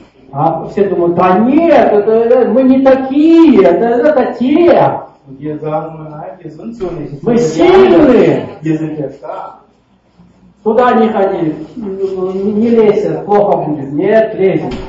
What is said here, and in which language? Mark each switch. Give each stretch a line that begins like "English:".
Russian: А все думают, да нет, это мы не такие, это те.
German: Wir sagen, nein, wir sind so nicht.
Russian: Мы сильные.
German: Wir sind ja stark.
Russian: Туда не ходи, не лезь, плохо будет, нет, лезь.